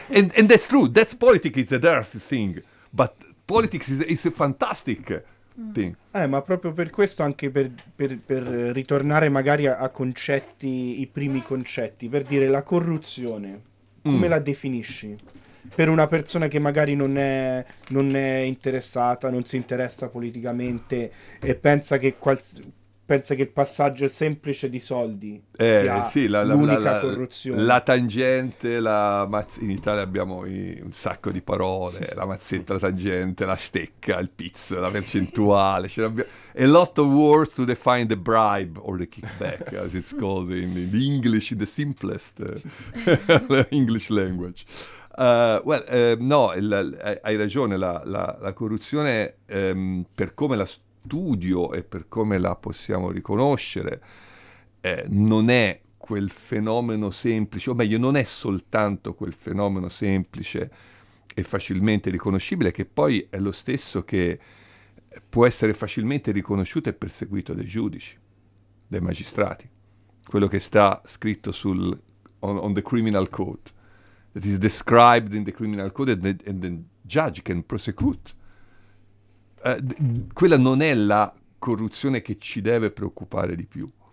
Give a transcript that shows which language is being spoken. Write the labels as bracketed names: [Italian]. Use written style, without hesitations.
[English] And that's true. That's politics. It's a dirty thing, but politics is a fantastic [Italian] Ma proprio per questo, anche per ritornare magari a concetti, i primi concetti, per dire la corruzione, come la definisci? Per una persona che magari non è interessata, non si interessa politicamente e pensa che pensa che il passaggio semplice di soldi sia l'unica corruzione. La tangente, in Italia abbiamo un sacco di parole, la mazzetta, la tangente, la stecca, il pizzo, la percentuale. [English] A lot of words to define the bribe or the kickback, as it's called in English, in the simplest English language. [Italian] Hai ragione, la corruzione, per come la studio e per come la possiamo riconoscere, non è quel fenomeno semplice, o meglio, non è soltanto quel fenomeno semplice e facilmente riconoscibile, che poi è lo stesso che può essere facilmente riconosciuto e perseguito dai giudici, dai magistrati. Quello che sta scritto [English] on the criminal code, that is described in the criminal code, and the judge can prosecute. [Italian] Quella non è la corruzione che ci deve preoccupare di più.